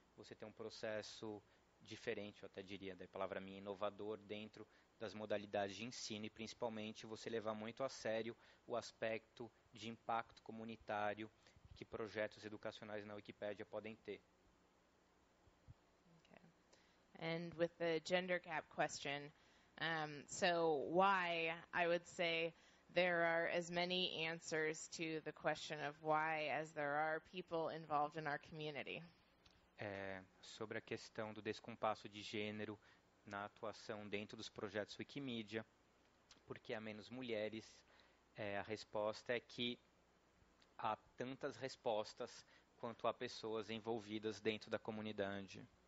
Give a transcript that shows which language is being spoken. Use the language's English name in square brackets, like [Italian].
[Portuguese] Você tem um processo diferente, eu até diria, da palavra minha, inovador, dentro das modalidades de ensino, e principalmente você levar muito a sério o aspecto de impacto comunitário que projetos educacionais na Wikipédia podem ter. [English] Okay. And with the gender gap question, so why, I would say, there are as many answers to the question of why as there are people involved in our community. [Portuguese] Sobre a questão do descompasso de gênero na atuação dentro dos projetos Wikimedia, porque há menos mulheres, a resposta é que há tantas respostas quanto há pessoas envolvidas dentro da comunidade.